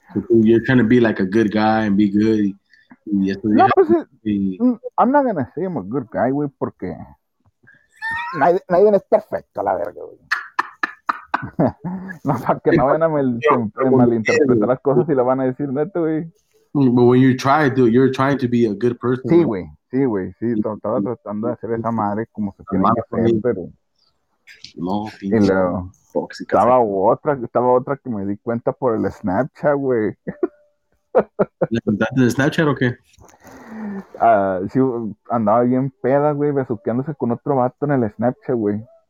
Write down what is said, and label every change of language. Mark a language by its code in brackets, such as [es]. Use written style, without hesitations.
[en] You're trying to be like a good guy and be good. I'm not gonna say I'm a good guy, güey, [es] porque nadie es perfecto, la verga, [en] güey. [es] No, para que no vayan a malinterpretar las cosas y lo van a decir, neto, güey. [en] But when you try, dude, you're trying to be a good person. [es] Sí, güey, sí, güey, sí. Estaba tratando de hacer esa madre como se tiene que hacer, pero... No, y luego, tóxica, estaba otra que me di cuenta por el Snapchat, güey. ¿Levantaste el Snapchat o qué? Sí, andaba bien peda, güey, besuqueándose con otro vato en el Snapchat, güey.